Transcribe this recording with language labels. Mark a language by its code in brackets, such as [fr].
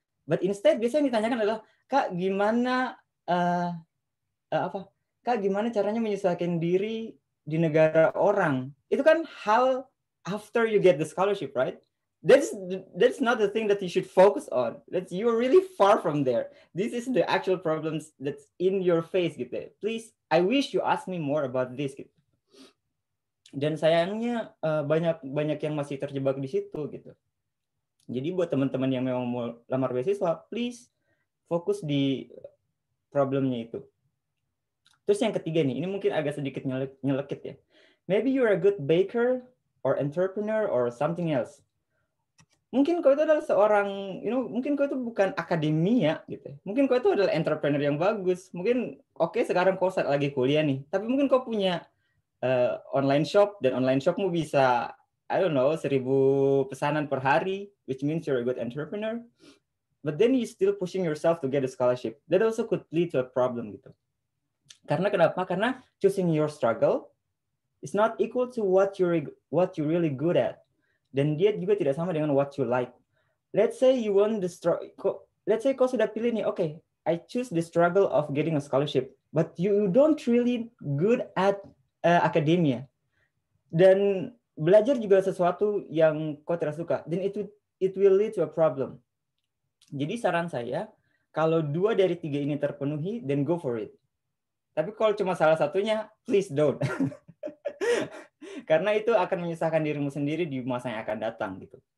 [en] But instead, [id] biasanya yang ditanyakan adalah, Kak, gimana, Kak, gimana caranya menyesuaikan diri di negara orang? Itu kan hal [en] after you get the scholarship, right? That's not the thing that you should focus on. That's, you're really far from there. This is the actual problems that's in your face, gitu. Please, I wish you ask me more about this, gitu. [id] Dan sayangnya banyak yang masih terjebak di situ, gitu. Jadi buat teman-teman yang memang mau lamar beasiswa, please fokus di problemnya itu. Terus yang ketiga nih, ini mungkin agak sedikit nyelekit ya. [en] Maybe you're a good baker or entrepreneur or something else. [id] Mungkin kau itu adalah seorang, you know, mungkin kau itu bukan akademia gitu. Mungkin kau itu adalah entrepreneur yang bagus. Mungkin oke, sekarang kau lagi kuliah nih. Tapi mungkin kau punya online shop dan online shopmu bisa, [en] I don't know, [id] 1,000 pesanan per hari, [en] which means you're a good entrepreneur. But then you still pushing yourself to get a scholarship. That also could lead to a problem gitu. [id] Karena kenapa? Karena [en] choosing your struggle is not equal to what you really good at. [id] Dan dia juga tidak sama dengan [en] what you like. Let's say you want the struggle. Let's say [id] kau sudah pilih nih. [en] Okay, I choose the struggle of getting a scholarship. But you don't really good at academia. [id] Dan belajar juga sesuatu yang kau tidak suka. [en] Then it will lead to a problem. [id] Jadi saran saya, kalau dua dari tiga ini terpenuhi, [en] then go for it. [id] Tapi kalau cuma salah satunya, [en] please don't. [id] Karena itu akan menyusahkan dirimu sendiri di masa yang akan datang gitu.